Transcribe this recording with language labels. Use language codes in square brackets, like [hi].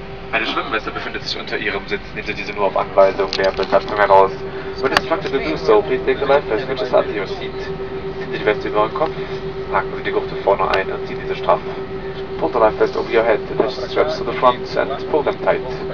[de] Eine Schwimmweste befindet sich unter Ihrem Sitz, nehmen Sie diese nur auf Anweisung der Besatzung heraus. [en] When instructed to do so, please take the life vest, which is under your seat. [de] Ziehen Sie die Weste über Ihren Kopf, haken Sie die Gurte vorne ein und ziehen diese straff. [en] Pull the life vest over your head, attach the straps to the front and pull them tight.